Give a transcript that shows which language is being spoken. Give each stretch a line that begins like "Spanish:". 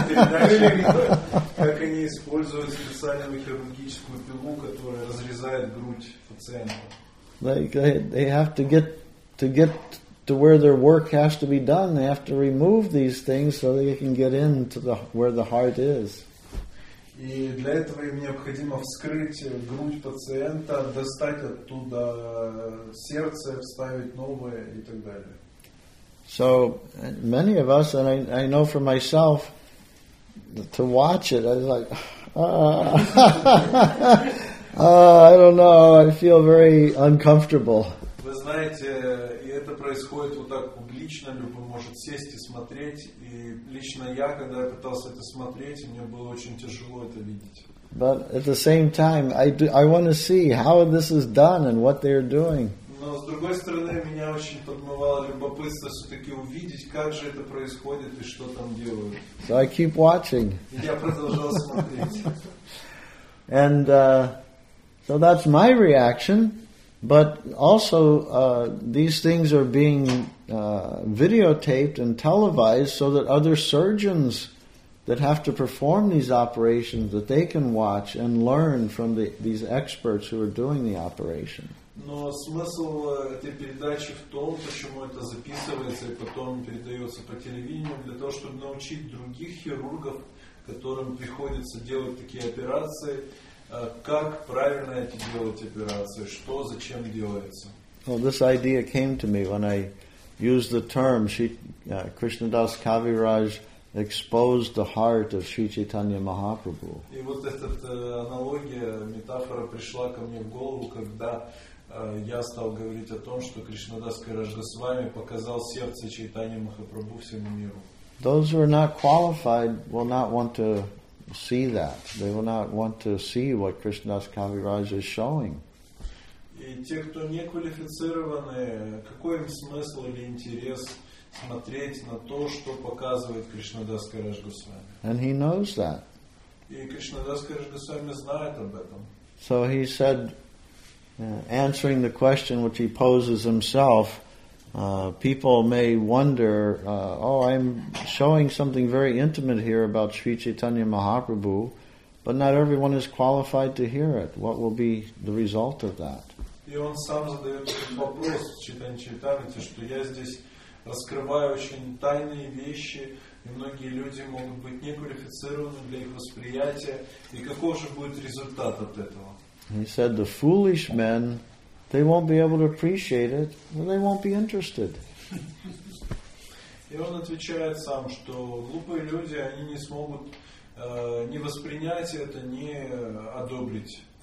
Russian: Как они используют специальную хирургическую пилу, которая разрезает грудь пациента.
English: They have to get to where their work has to be done. They have to remove these things so they can get into where the heart is.
Russian: И для этого им необходимо вскрыть грудь пациента, достать оттуда сердце, вставить новое и так далее.
English: So many of us, and I know for myself, to watch it, I was like, I don't know, I feel very uncomfortable.
Russian: Вы знаете, и это происходит вот так публично, любой может сесть и смотреть, и лично я, когда я пытался это смотреть, мне было очень тяжело это видеть.
English: But at the same time, I want to see how this is done and what they're doing.
Russian: Но с другой стороны, меня очень подмывало любопытство все-таки увидеть, как же это происходит и что там делают.
English: So I keep watching.
Russian: Я продолжал смотреть.
English: And so that's my reaction, but also these things are being videotaped and televised so that other surgeons that have to perform these operations that they can watch and learn from these experts who are doing the operation.
Russian: Но смысл этой передачи в том, почему это записывается и потом передается по телевидению, для того, чтобы научить других хирургов, которым приходится делать такие операции, как правильно эти делать операции, что зачем делается.
English: Well, this idea came to me when I used the term Krishnadas Kaviraj exposed the heart of Sri Chaitanya Mahaprabhu.
Russian: И вот эта аналогия, метафора пришла ко мне в голову, когда я стал говорить о том, что Кришнадас Кавираж Госвами показал сердце Чайтанья Махапрабху всему миру.
English: Those who are not qualified will not want to see that. They will not want to see what Krishnadas Kaviraj is showing.
Russian: И те, кто не квалифицированы, какой им смысл или интерес смотреть на то, что показывает Кришнадас Кавираж Госвами?
English: And he knows that.
Russian: И Кришнадас Кавираж Госвами знает об этом.
English: So he said, answering the question which he poses himself, people may wonder, I'm showing something very intimate here about Sri Chaitanya Mahaprabhu, but not everyone is qualified to hear it. What will be the result of that?
Russian: И он сам задает вопрос Чайтанья Чаритамрите, что я здесь раскрываю очень тайные вещи, и многие люди могут быть неквалифицированы для их восприятия, и каков же будет результат от этого?
English: He said, the foolish men, they won't be able to appreciate it, and they won't be interested.
Russian: И он отвечает сам, что глупые люди, они не смогут не воспринять это, не одобрить.